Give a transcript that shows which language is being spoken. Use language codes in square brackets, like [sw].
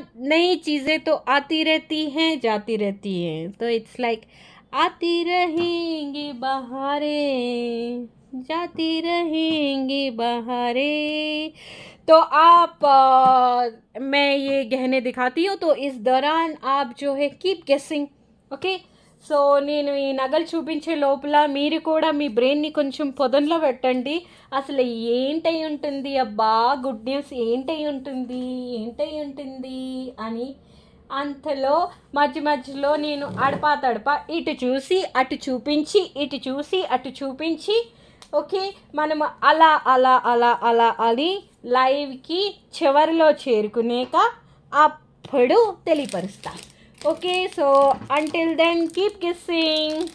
[hi] नई चीजें तो आती रहती हैं, जाती रहती हैं, तो [en] it's like [hi] आती रहेंगी बहारे, जाती रहेंगी बहारे। तो आप मैं ये गहने दिखाती हूँ, तो इस दौरान आप जो है [en] Keep guessing. Okay, so [te] నేను ఈ నగలు చూపించే లోపల మీరు కూడా మీ బ్రెయిన్ని కొంచెం పొదన్లో పెట్టండి. అసలు ఏంటై ఉంటుంది అబ్బా, గుడ్ న్యూస్ ఏంటై ఉంటుంది, ఏంటై ఉంటుంది అని. అంతలో మధ్య మధ్యలో నేను అడపా తడపా ఇటు చూసి అటు చూపించి, ఇటు చూసి అటు చూపించి, ఓకే మనము అలా అలా అలా అలా అని లైవ్కి చివరిలో చేరుకునేక అప్పుడు తెలియపరుస్తాను. [en] Okay, so until then, keep kissing.